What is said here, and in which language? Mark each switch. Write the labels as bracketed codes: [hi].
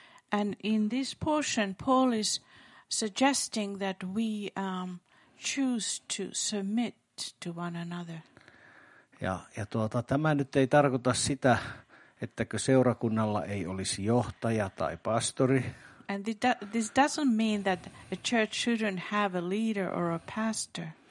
[en] And in this portion Paul is suggesting that we choose to submit to one another. [fi] Ja tuota tämä nyt ei tarkoita sitä, ettäkö seurakunnalla ei olisi johtaja tai pastori. [en] And this doesn't mean that a church shouldn't have a leader or a pastor.